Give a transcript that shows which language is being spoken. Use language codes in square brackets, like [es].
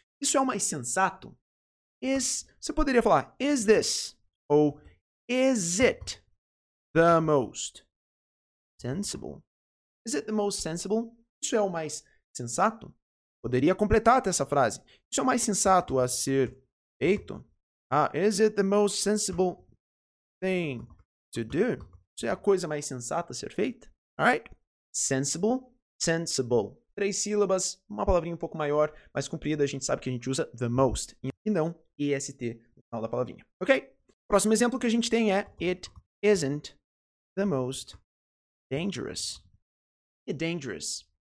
[pt] Isso é o mais sensato? Você poderia falar, is this, ou [en] is it the most sensible? Is it the most sensible? [pt] Isso é o mais sensato? Poderia completar até essa frase. Isso é o mais sensato a ser feito? [en] Ah, is it the most sensible thing to do? [pt] Isso é a coisa mais sensata a ser feita? Alright? Sensible, sensible. Três sílabas, uma palavrinha um pouco maior, mais comprida, a gente sabe que a gente usa the most, e não est no final da palavrinha. Ok? Próximo exemplo que a gente tem é [en] it isn't the most dangerous. [pt] E dangerous?